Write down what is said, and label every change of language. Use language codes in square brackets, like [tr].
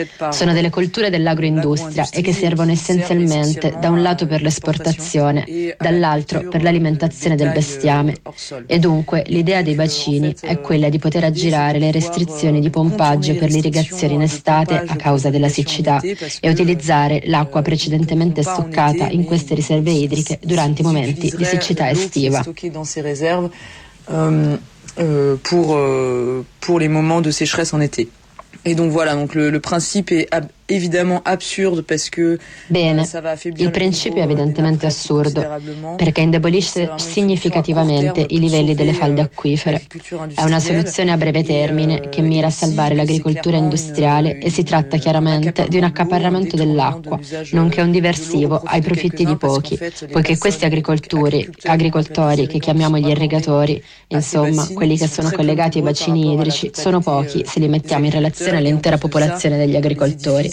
[it] Sono delle colture dell'agroindustria e che servono essenzialmente da un lato per l'esportazione, dall'altro per l'alimentazione del bestiame. E dunque l'idea dei bacini è quella di poter aggirare le restrizioni di pompaggio per l'irrigazione in estate a causa della siccità e utilizzare l'acqua precedentemente stoccata in queste riserve idriche durante i momenti di siccità estiva. [fr] Pour les moments de sécheresse en été. Et donc voilà, donc le principe est Évidemment absurdo parce que [it] bene, il principio è evidentemente assurdo perché indebolisce significativamente i livelli delle falde acquifere. È una soluzione a breve termine che mira a salvare l'agricoltura industriale e si tratta chiaramente di un accaparramento dell'acqua, nonché un diversivo ai profitti di pochi, poiché questi agricoltori che chiamiamo gli irrigatori, insomma quelli che sono collegati ai bacini idrici, sono pochi se li mettiamo in relazione all'intera popolazione degli agricoltori.